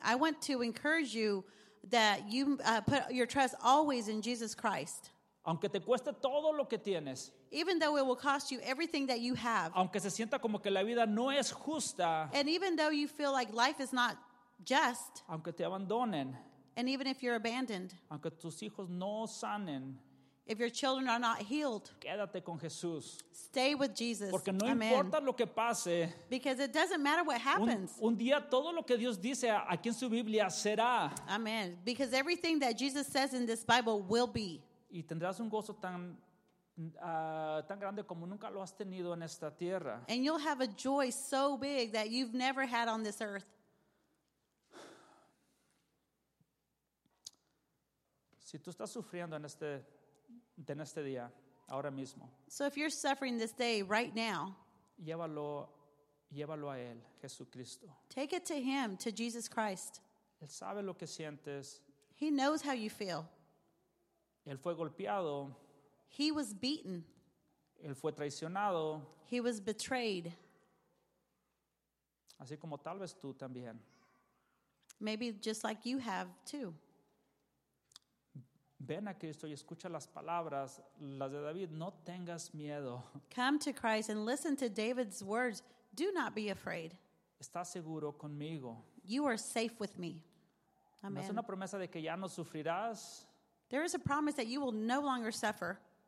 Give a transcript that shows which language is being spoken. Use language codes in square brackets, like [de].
[en] I want to encourage you that you put your trust always in Jesus Christ. [es] Aunque te cueste todo lo que tienes. [en] Even though it will cost you everything that you have. [es] Aunque se sienta como que la vida no es justa. [en] And even though you feel like life is not just. [es] Aunque te abandonen. [en] And even if you're abandoned. [es] Aunque tus hijos no sanen. [en] If your children are not healed, [es] quédate con Jesús. [en] Stay with Jesus. [es] Porque no [en] Amen. [es] Importa lo que pase. [en] Because it doesn't matter what happens. [es] Un día todo lo que Dios dice aquí en su Biblia será. [en] Amen. Because everything that Jesus says in this Bible will be. [es] Y tendrás un gozo tan tan grande como nunca lo has tenido en esta tierra. [en] And you'll have a joy so big that you've never had on this earth. [es] Si tú estás sufriendo en este en este día, ahora mismo. [en] So if you're suffering this day, right now, [es] llévalo a él, Jesucristo. [en] Take it to him, to Jesus Christ. [es] Él sabe lo que sientes. [en] He knows how you feel. [es] Él fue golpeado. [en] He was beaten. [es] Él fue traicionado. [en] He was betrayed. [es] Así como tal vez tú también. [en] Maybe just like you have too. [es] Ven a Cristo y escucha las palabras, las de David, no tengas miedo. [en] Come to Christ and listen to David's words, do not be afraid. [es] Estás seguro conmigo. [en] You are safe with me. Amen. [es] No es una promesa de que ya no sufrirás. [en] There is a promise that you will no longer suffer.